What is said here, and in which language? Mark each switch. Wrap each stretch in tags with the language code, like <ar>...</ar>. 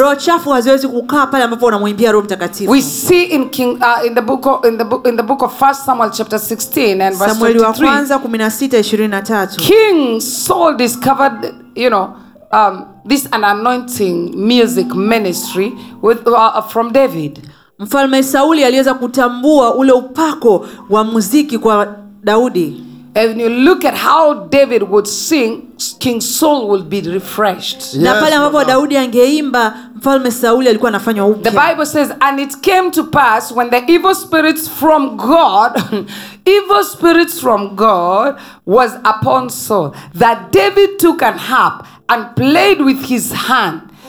<sw>Roho chafu haziwezi kukaa pale ambapo unamwimbia Roho Mtakatifu.</sw> <en>We see in the book of 1 Samuel chapter 16 and verse 23.</en> <sw>Samuel wa kwanza 16:23.</sw> <en>King Saul discovered, you know, this an anointing music ministry with from David.</en> <sw>Mfalme Sauli aliweza kutambua ule upako wa muziki kwa Daudi.</sw> <en>And you look at how David would sing, King Saul would be refreshed.</en> <sw>Na pale ambapo Daudi angeimba, Mfalme Sauli alikuwa anafanywa upya.</sw> <en>The Bible says, and it came to pass when the evil spirits from God, evil spirits from God was upon Saul, that David took an harp and played with his hand.</en>